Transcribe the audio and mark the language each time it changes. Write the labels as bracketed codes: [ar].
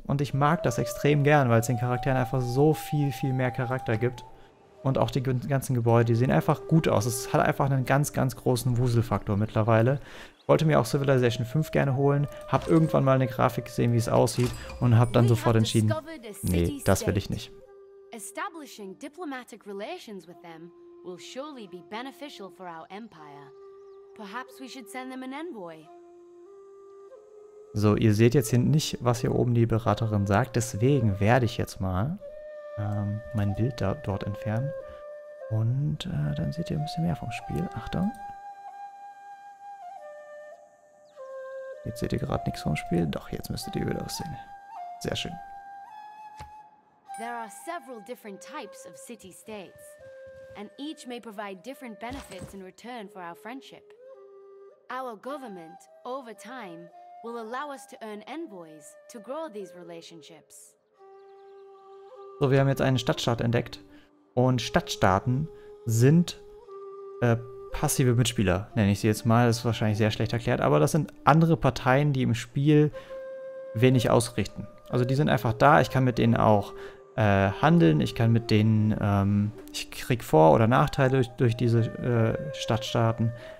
[de] Und ich mag das extrem gern, weil es den Charakteren einfach so viel, viel mehr Charakter gibt. Und auch die ganzen Gebäude, die sehen einfach gut aus. Es hat einfach einen ganz, ganz großen Wuselfaktor mittlerweile. Wollte mir auch Civilization 5 gerne holen, hab irgendwann mal eine Grafik gesehen, wie es aussieht und hab dann sofort entschieden, nee, das will ich nicht. [en] Establishing diplomatic relations with them will surely be beneficial for our empire. Perhaps we should send them an envoy. [de] So, ihr seht jetzt hier nicht, was hier oben die Beraterin sagt, deswegen werde ich jetzt mal mein Bild da, dort entfernen. Und dann seht ihr ein bisschen mehr vom Spiel. Achtung. Jetzt seht ihr gerade nichts vom Spiel. Doch, jetzt müsstet ihr wieder aussehen. Sehr schön. [en] There are several different types of city-states. And each may provide different benefits in return for our friendship. Our government, over time, will allow us to earn envoys to grow these relationships. [de] So, wir haben jetzt einen Stadtstaat entdeckt. Und Stadtstaaten sind passive Mitspieler, nenne ich sie jetzt mal. Das ist wahrscheinlich sehr schlecht erklärt. Aber das sind andere Parteien, die im Spiel wenig ausrichten. Also die sind einfach da. Ich kann mit denen auch handeln. Ich kann mit denen, ich krieg Vor- oder Nachteile durch diese Stadtstaaten.